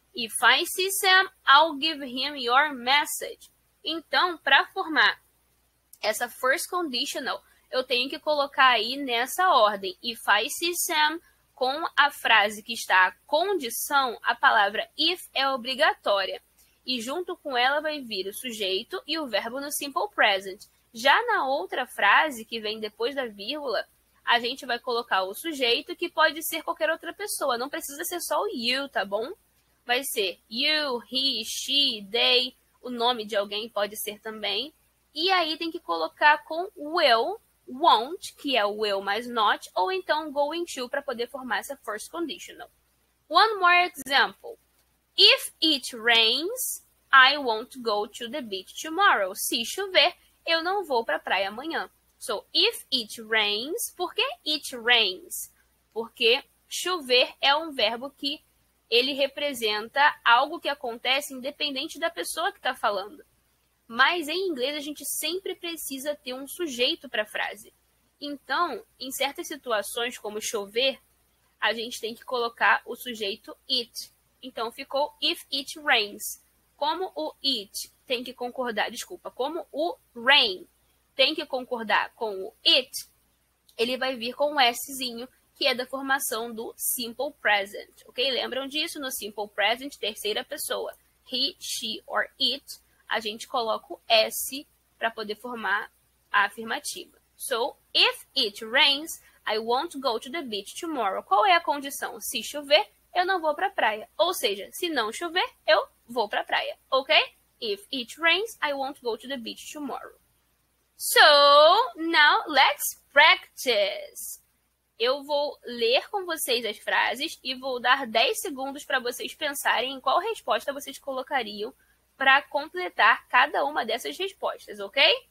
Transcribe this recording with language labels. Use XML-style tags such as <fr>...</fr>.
<en>If I see Sam, I'll give him your message.</en> <pt>Então, para formar essa first conditional, eu tenho que colocar aí nessa ordem.</pt> <en>If I see Sam,</en> <pt>com a frase que está a condição, a palavra if é obrigatória. E junto com ela vai vir o sujeito e o verbo no simple present. Já na outra frase, que vem depois da vírgula, a gente vai colocar o sujeito, que pode ser qualquer outra pessoa. Não precisa ser só o you, tá bom? Vai ser you, he, she, they. O nome de alguém pode ser também. E aí tem que colocar com will, won't, que é o will mais not, ou então going to, para poder formar essa first conditional.</pt> <en>One more example. If it rains, I won't go to the beach tomorrow.</en> <pt>Se chover, eu não vou para a praia amanhã.</pt> <en>So, if it rains,</en> <pt>por que it rains? Porque chover é um verbo que ele representa algo que acontece independente da pessoa que está falando. Mas, em inglês, a gente sempre precisa ter um sujeito para a frase. Então, em certas situações, como chover, a gente tem que colocar o sujeito it. Então, ficou if it rains. Como o it tem que concordar, desculpa, como o rain tem que concordar com o it, ele vai vir com o szinho, que é da formação do simple present. Ok? Lembram disso? No simple present, terceira pessoa, he, she, or it, a gente coloca o S para poder formar a afirmativa.</pt> <en>So, if it rains, I won't go to the beach tomorrow.</en> <pt>Qual é a condição? Se chover, eu não vou para a praia. Ou seja, se não chover, eu vou para a praia. Ok?</pt> <en>If it rains, I won't go to the beach tomorrow. So, now let's practice.</en> <pt>Eu vou ler com vocês as frases e vou dar 10 segundos para vocês pensarem em qual resposta vocês colocariam para completar cada uma dessas respostas, ok?</pt>